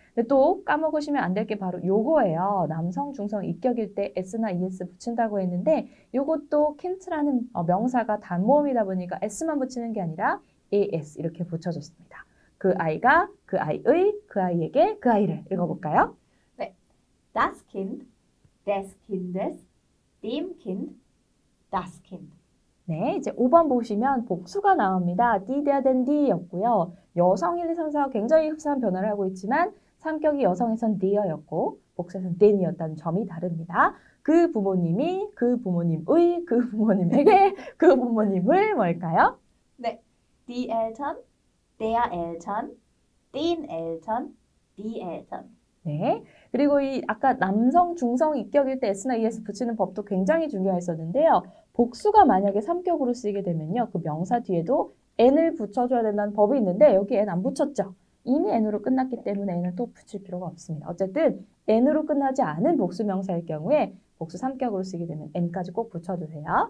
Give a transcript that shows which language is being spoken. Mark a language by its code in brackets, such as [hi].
[ko] 근데 또 까먹으시면 안될게 바로 요거예요. 남성 중성 이격일 때 s나 es 붙인다고 했는데 요것도 kind라는 명사가 단모음이다 보니까 s만 붙이는 게 아니라 es 이렇게 붙여줬습니다. 그 아이가 그 아이의 그 아이에게 그 아이를 읽어볼까요? [de] Das Kind, des Kindes, dem Kind, das Kind. [ko] 네, 이제 5번 보시면 복수가 나옵니다. [de] die, der, den, die였고요. [ko] 여성 1, 2, 3, 4가 굉장히 흡사한 변화를 하고 있지만 성격이 여성에선 die였고 복수에선 den이었다는 점이 다릅니다. 그 부모님이 그 부모님의 그 부모님에게 그 부모님을 뭘까요? [de] die Eltern, der Eltern, den Eltern, die Eltern. [ko] 네. 그리고 이 아까 남성 중성 이격일 때 S나 ES 붙이는 법도 굉장히 중요했었는데요. 복수가 만약에 성격으로 쓰이게 되면요. 그 명사 뒤에도 N을 붙여줘야 된다는 법이 있는데 여기 N 안 붙였죠? 이미 N으로 끝났기 때문에 N을 또 붙일 필요가 없습니다. 어쨌든 N으로 끝나지 않은 복수 명사일 경우에 복수 성격으로 쓰이게 되면 N까지 꼭 붙여주세요.